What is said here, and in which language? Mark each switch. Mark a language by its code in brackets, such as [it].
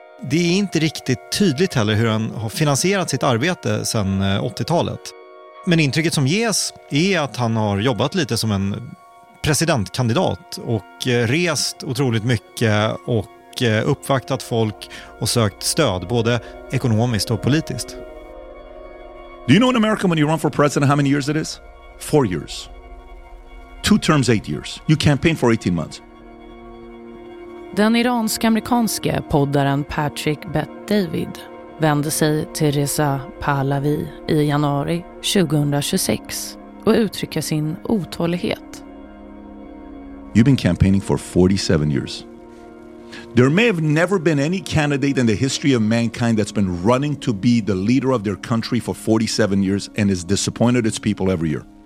[sv] Det är inte riktigt tydligt heller hur han har finansierat sitt arbete sedan 80-talet. Men intrycket som ges är att han har jobbat lite som en presidentkandidat och rest otroligt mycket och uppvaktat folk och sökt stöd både ekonomiskt och politiskt. [en] Do you know in America when you run for president how many years it is? 4 years. 2 terms, 8 years. You campaign for 18 months. [sv] Den iransk-amerikanske poddaren Patrick Bett David vände sig till Reza Pahlavi i januari 2026 och uttrycker sin otålighet. [en] You've been campaigning for 47 years. There may have never been any candidate in the history of mankind that's been running to be the leader of their country for 47 years and is disappointed its people every year.